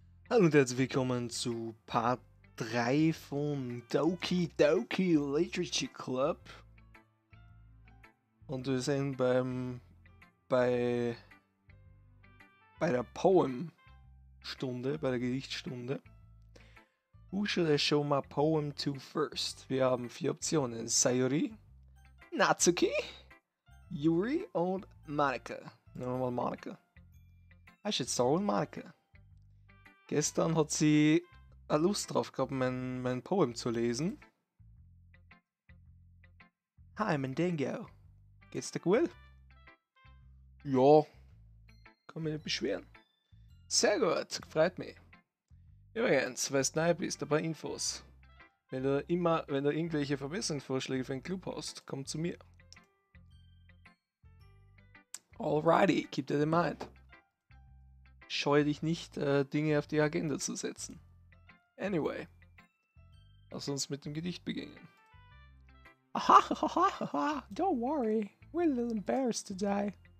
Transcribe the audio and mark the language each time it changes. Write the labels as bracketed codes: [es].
[de] Hallo und herzlich willkommen zu Part 3 vom Doki Doki Literature Club. Und wir sind bei der Poem-Stunde, bei der Gedichtstunde. [en] Who should I show my poem to first? [de] Wir haben 4 Optionen: Sayuri, Natsuki, Yuri und Monika. Nehmen wir mal Monika. [en] I should start with Monika. [de] Gestern hat sie eine Lust drauf gehabt, mein Poem zu lesen. Hi, Mendengo. Geht's dir gut? Ja. Kann mich nicht beschweren. Sehr gut, freut mich. Übrigens, weil du neu bist, ein paar Infos. Wenn du irgendwelche Verbesserungsvorschläge für einen Club hast, komm zu mir. [en] Alrighty, keep that in mind. [de] Scheue dich nicht, Dinge auf die Agenda zu setzen. Anyway, lass uns mit dem Gedicht beginnen. [en] Ahahaha, don't worry, we're a little embarrassed today.